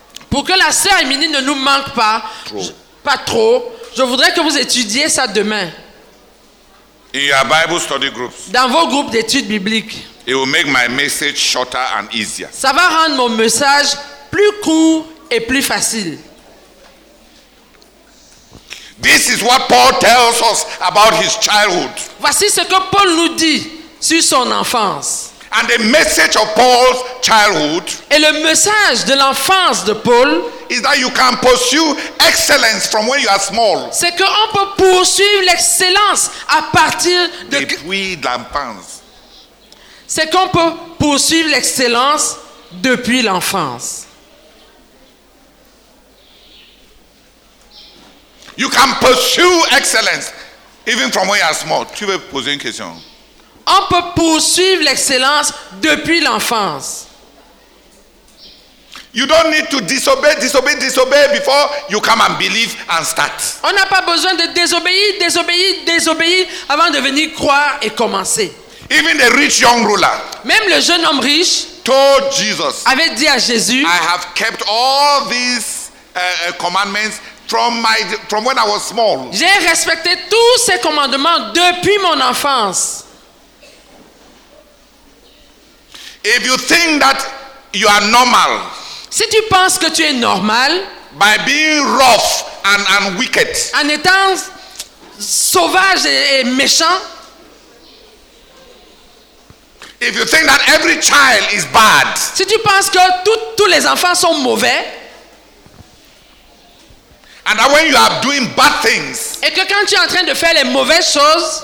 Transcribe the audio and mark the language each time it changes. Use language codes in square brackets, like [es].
[fr] Pour que la sœur Emilie ne nous manque pas trop, je voudrais que vous étudiez ça demain. [en] In your Bible study groups. [fr] Dans vos groupes d'études bibliques. [en] It will make my message shorter and easier. [fr] Ça va rendre mon message plus court et plus facile. [en] This is what Paul tells us about his childhood. [fr] Voici ce que Paul nous dit sur son enfance. [en] And the message of Paul's childhood. [fr] Et le message de l'enfance de Paul. [en] Is that you can pursue excellence from when you are small. [fr] C'est que on peut poursuivre l'excellence à partir de. Depuis l'enfance. C'est qu'on peut poursuivre l'excellence depuis l'enfance. [en] You can pursue excellence even from when you are small. [fr] Tu veux poser une question? On peut poursuivre l'excellence depuis l'enfance. [en] You don't need to disobey before you come and believe and start. [fr] On n'a pas besoin de désobéir avant de venir croire et commencer. [en] Even the rich young ruler. [fr] Même le jeune homme riche. [en] Told Jesus. [fr] Avait dit à Jésus. [en] I have kept all these commandments. From when I was small. [fr] J'ai respecté tous ces commandements depuis mon enfance. [en] If you think that you are normal, [fr] si tu penses que tu es normal, [en] by being rough and wicked, [fr] en étant sauvage et méchant, [en] if you think that every child is bad, [fr] si tu penses que tous les enfants sont mauvais. [en] And that when you are doing bad things, [fr] et que quand tu es en train de faire les mauvaises choses,